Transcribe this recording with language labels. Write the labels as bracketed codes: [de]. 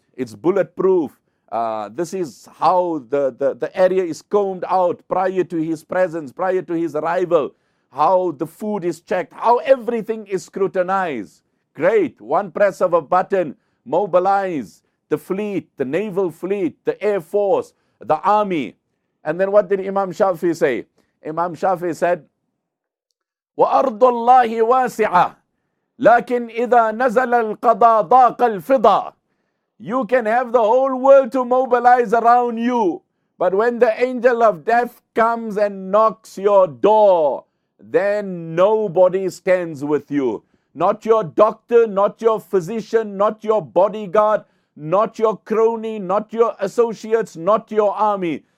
[en] It's bulletproof. This is how the area is combed out prior to his presence, prior to his arrival, how the food is checked, how everything is scrutinized. Great. One press of a button, mobilize the fleet, the naval fleet, the air force, the army. And then what did Imam Shafi say? Imam Shafi said, [ar] وَأَرْضُ اللَّهِ وَاسِعَةً لَكِنْ إِذَا نَزَلَ الْقَضَى ضَاقَ الْفِضَى. [en] You can have the whole world to mobilize around you, but when the angel of death comes and knocks your door, then nobody stands with you. Not your doctor, not your physician, not your bodyguard, not your crony, not your associates, not your army.